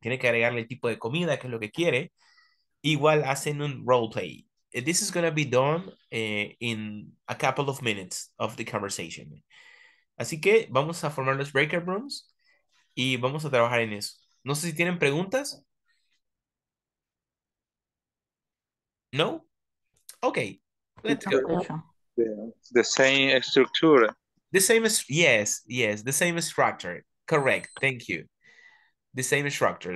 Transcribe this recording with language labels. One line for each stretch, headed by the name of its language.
Spanish: Tiene que agregarle el tipo de comida, que es lo que quiere. Igual hacen un role play.
English: This is going to be done in a couple of minutes of the conversation.
Spanish: Así que vamos a formar los breakout rooms y vamos a trabajar en eso. No sé si tienen preguntas.
English: No? Okay. Let's go. The same structure. The same as, yes, yes, the same structure. Correct, thank you. The same structure.